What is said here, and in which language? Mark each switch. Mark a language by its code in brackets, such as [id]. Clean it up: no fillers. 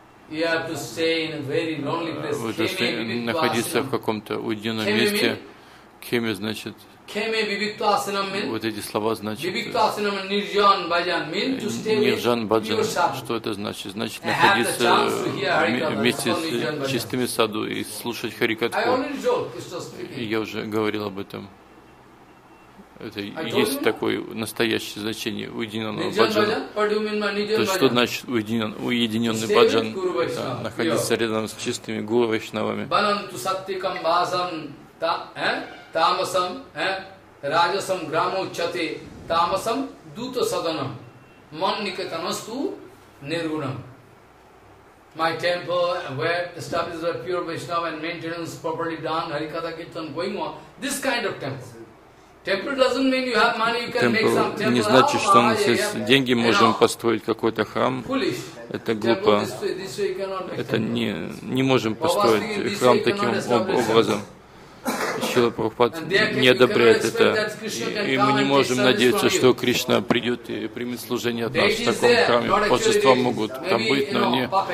[en] You have to stay in a very lonely place. [ru] Вы должны находиться в каком-то уединенном месте. Кхеме значит. [sa] Кхеме бибикту асинам мин. [ru] Вот эти слова значат. [sa] Бибикту асинам нирджан баджан мин. [ru] Нирджан баджан. Что это значит? Значит находиться вместе с чистыми саду и слушать харикатху. Я уже говорил об этом. Это есть такое настоящее значение уединенного баджана. То есть что значит уединенный баджан? Да, находиться рядом с чистыми гуру вайшнавами. [sa] Бананту саттикам базам тамасам раджасам граму чате тамасам дута саданам ман никетанасту ниргунам. [en] My temple where established by pure Vaishnava and maintenance properly done Harikatha Kirtan going on. This kind of temple. Temple doesn't mean you have money. You can make some temple. [ru] Temple не значит, что у нас есть деньги, можем построить какой-то храм. Это глупо. Это не можем построить храм таким образом. Шрила Прабхупада не одобряет это, и мы не можем надеяться, что Кришна придет и примет служение от нас в таком храме. Большинство могут там быть, но они